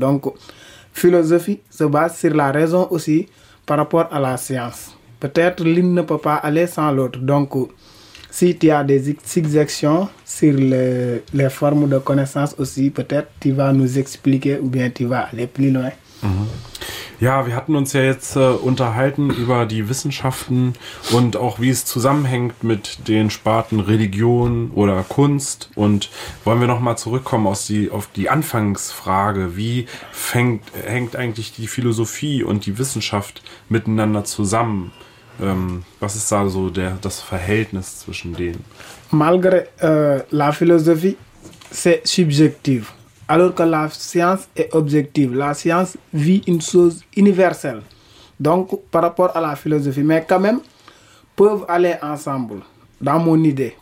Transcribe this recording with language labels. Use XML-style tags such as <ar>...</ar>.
<fr>Donc philosophie se base sur la raison aussi par rapport à la science. Peut-être l'une ne peut pas aller sans l'autre. Donc si tu as des exceptions sur les formes de connaissances aussi, peut-être tu vas nous expliquer ou bien tu vas aller plus loin.</fr> <de>Ja, wir hatten uns ja jetzt unterhalten über die Wissenschaften und auch wie es zusammenhängt mit den Sparten Religion oder Kunst. Und wollen wir nochmal zurückkommen auf die Anfangsfrage, wie hängt eigentlich die Philosophie und die Wissenschaft miteinander zusammen? Was ist da so das Verhältnis zwischen denen?</de> <fr>Malgré la philosophie, c'est subjectif. Alors que la science est objective, la science vit une chose universelle, donc par rapport à la philosophie, mais quand même, peuvent aller ensemble, dans mon idée.</fr>